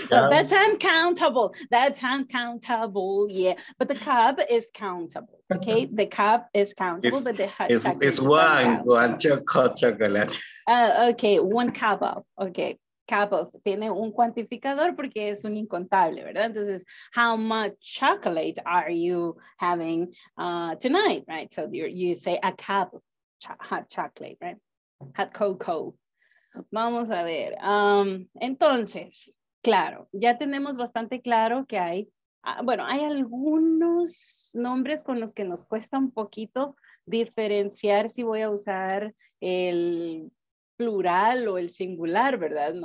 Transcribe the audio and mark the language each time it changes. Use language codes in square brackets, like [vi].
[en] That's uncountable. Yeah, but the cup is countable. Okay, the cup is countable, it's one chocolate. Okay, one cup of. Okay, cup of. [es] Tiene un cuantificador porque es un incontable, ¿verdad? Entonces, [en] how much chocolate are you having tonight? Right. So you say a cup of hot chocolate, right? Hot cocoa. [es] Vamos a ver, entonces, claro, ya tenemos bastante claro que hay, bueno, hay algunos nombres con los que nos cuesta un poquito diferenciar si voy a usar el plural o el singular, ¿verdad?